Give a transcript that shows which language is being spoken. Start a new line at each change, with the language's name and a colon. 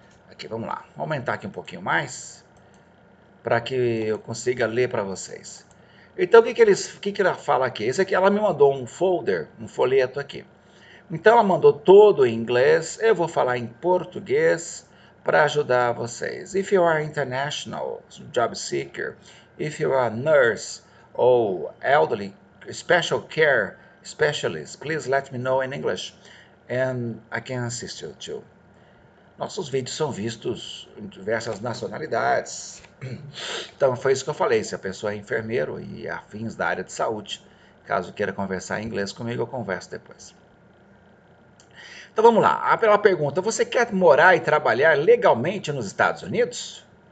Portuguese: Aqui, vamos lá, vou aumentar aqui um pouquinho mais, para que eu consiga ler para vocês. Então, o que que ela fala aqui? Isso aqui, ela me mandou um folder, um folheto aqui. Então, ela mandou todo em inglês, eu vou falar em português para ajudar vocês.
English: If you are international job seeker, if you are nurse or elderly special care specialist, please let me know in English and I can assist you too.
Portuguese: Nossos vídeos são vistos em diversas nacionalidades. Então foi isso que eu falei. Se a pessoa é enfermeiro e afins da área de saúde, caso queira conversar em inglês comigo, eu converso depois. Então vamos lá. A primeira pergunta: você quer morar e trabalhar legalmente nos Estados Unidos?